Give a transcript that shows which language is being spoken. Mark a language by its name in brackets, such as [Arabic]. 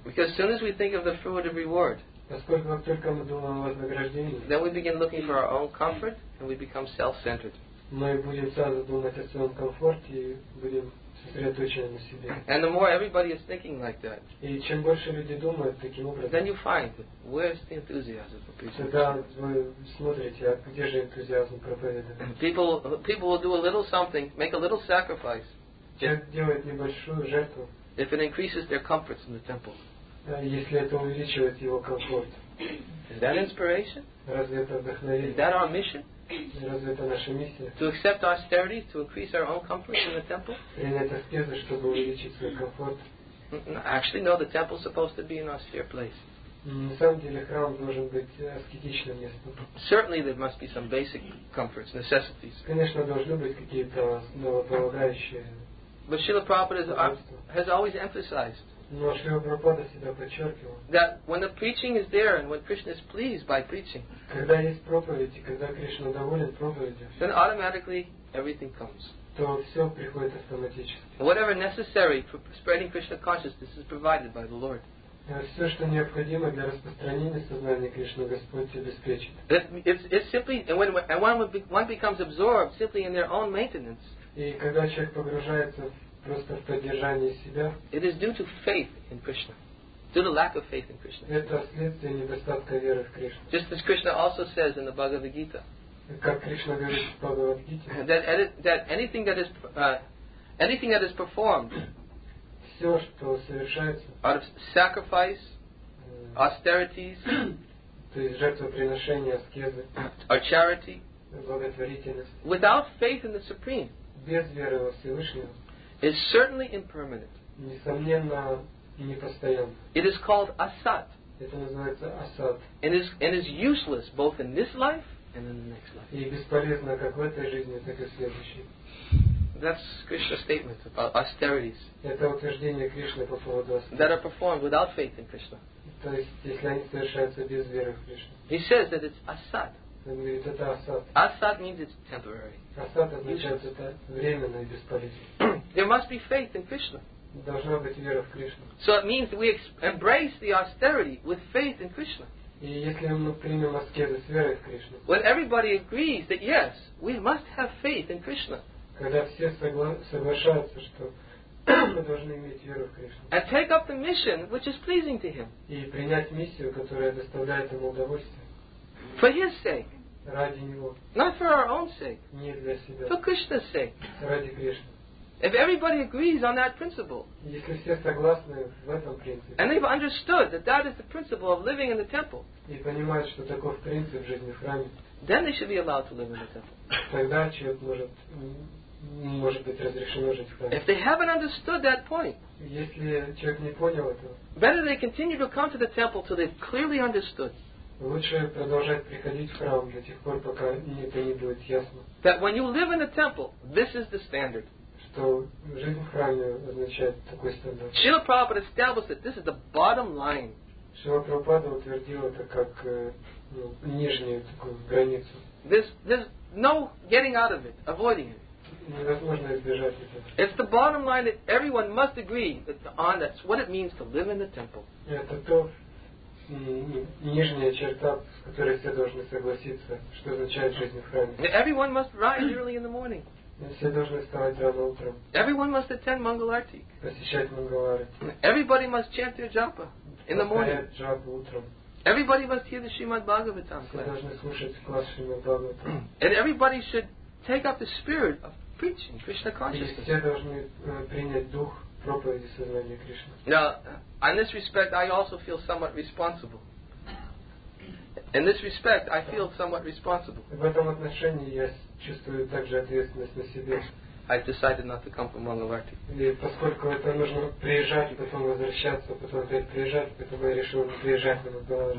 [English] Because as soon as we think of the fruit of reward. [Russian] Поскольку как только мы думаем о вознаграждении, [English] then we begin looking for our own comfort and we become self-centered. [Russian] Мы будем сразу думать о своем комфорте и будем сосредоточены на себе. [English] And the more everybody is thinking like that, [Russian] и чем больше люди думают таким образом, [English] then you find where's the enthusiasm for preaching. [Russian] Тогда вы смотрите, а где же энтузиазм проповедования? [English] People will do a little something, make a little sacrifice. [Russian] Человек делает небольшую жертву. [English] If it increases their comforts in the temple. [Russian] Если это увеличивает его комфорт. [English] Is that inspiration? [Russian] Разве это вдохновение? [English] Is that our mission? [Russian] Разве это наша миссия? [English] To accept austerities, to increase our own comfort in the temple? [Russian] Принять аскезы, чтобы увеличить свой комфорт? [English] Actually, no. The temple is supposed to be an austere place. [Russian] На самом деле храм должен быть аскетичным местом. [English] Certainly, there must be some basic comforts, necessities. [Russian] Конечно, должны быть какие-то основополагающие. [English] But Srila Prabhupada has always emphasized. [Russian] Но Шрила Прабхупада всегда подчеркивал. [English] That when the preaching is there and when Krishna is pleased by preaching. [Russian] Когда есть проповедь и когда Кришна доволен проповедью. [English] Then automatically everything comes. [Russian] То все приходит автоматически. [English] Whatever necessary for spreading Krishna consciousness is provided by the Lord. [Russian] Все, что необходимо для распространения сознания Кришны, Господь обеспечит. [English] It's simply and when one becomes absorbed simply in their own maintenance. [Russian] И когда человек погружается в просто в поддержании себя. [English] It is due to faith in Krishna. Due to lack of faith in Krishna. [Russian] Это следствие недостатка веры в Кришну. [English] Just as Krishna also says in the Bhagavad Gita. [Russian] Как Кришна говорит в Бхагавад Гите. [English] That anything that is performed. [Russian] все, что совершается, [English] out of sacrifice, austerities, [Russian] то есть жертвоприношения, аскезы, [English] or charity, [Russian] благотворительность, [English] without faith in the Supreme, [Russian] без веры во Всевышнего, [English] is certainly impermanent. [Russian] Несомненно, непостоянно. [English] It is called asat. [Russian] Это называется асад. [English] And is useless both in this life and in the next life. [Russian] И бесполезно как в этой жизни, так и в следующей. [English] That's Krishna's statement about austerities. [Russian] Это утверждение Кришны по поводу [English] austerities. That are performed without faith in Krishna. [Russian] То есть, если они совершаются без веры в Кришну. [English] He says that it's asad. [Russian] Он говорит, это асад. [English] Asad means it's temporary. [Russian] Асад означает это временно и бесполезно. [English] There must be faith in Krishna. [Russian] Должна быть вера в Кришну. [English] So it means we embrace the austerity with faith in Krishna. [Russian] И если мы примем аскезу с верой в Кришну. [English] When everybody agrees that yes, we must have faith in Krishna. [Russian] Когда все соглашаются, что мы должны иметь веру в Кришну. [English] And take up the mission which is pleasing to Him. [Russian] И принять миссию, которая доставляет ему удовольствие. [English] For His sake. [Russian] Ради него. [English] Not for our own sake. [Russian] Не для себя. [English] For Krishna's sake. [Russian] Ради Кришны. [English] If everybody agrees on that principle, [Russian] если все согласны в этом принципе, [English] and they've understood that that is the principle of living in the temple, [Russian] и понимают, что таков принцип жизни в храме, [English] then they should be allowed to live in the temple. [Russian] Тогда человек может быть разрешено жить в храме. [English] If they haven't understood that point, [Russian] если человек не понял этого, [English] better they continue to come to the temple till they've clearly understood. [Russian] Лучше продолжать приходить в храм до тех пор, пока это не будет ясно. [English] That when you live in the temple, this is the standard. [Russian] То жизнь в храме означает такой стандарт. [English] Шрила Прабхупада established that this is the bottom line. [Russian] Шрила Прабхупада утвердил это как нижнюю такую границу. [English] There's no getting out of it, avoiding it. [Russian] Невозможно избежать этого. [English] It's the bottom line that everyone must agree on. That's what it means to live in the temple. [Russian] Это то нижняя черта, с которой все должны согласиться, что означает жизнь в храме. [English] Everyone must rise early in the morning. [Russian] Все должны вставать рано утром. [English] Everyone must attend Mangal Arati. [Russian] Посещать Mangal Arati. [English] Everybody must chant their japa in the morning. [Russian] Повторять джапу утром. [English] Everybody must hear the Srimad Bhagavatam. [Russian] Все должны слушать класс Srimad Bhagavatam. [English] And everybody should take up the spirit of preaching Krishna consciousness. [Russian] И все должны принять дух проповеди сознания Кришны. [English] Now, in this respect, I also feel somewhat responsible. In this respect, I feel somewhat responsible. [Russian] В этом отношении я чувствую также ответственность на себе. [English] I've decided not to come from Mangal Arati. [Russian] И поскольку это нужно приезжать, потом возвращаться, потом опять приезжать, поэтому я решил не приезжать на Mangal Arati.